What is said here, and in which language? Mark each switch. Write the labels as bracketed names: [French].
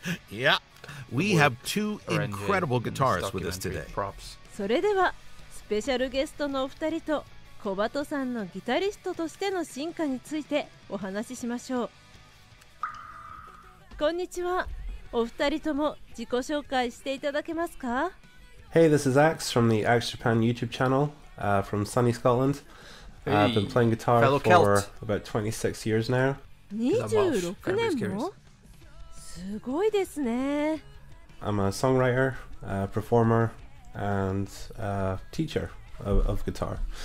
[English] Yeah, we have two incredible guitarists with us today. [Japanese] それでは、スペシャルゲストのお二人と、コバトさんのギタリストとしての進化についてお話ししましょう。こんにちは。お二人とも自己紹介していただけますか? [English] Hey, this is Axe from the Axe Japan YouTube channel, from sunny Scotland. I've been playing guitar for about 26 years now. [Japanese] 26 年も?すごいですね。 [English] I'm a songwriter, a performer, and a teacher of guitar.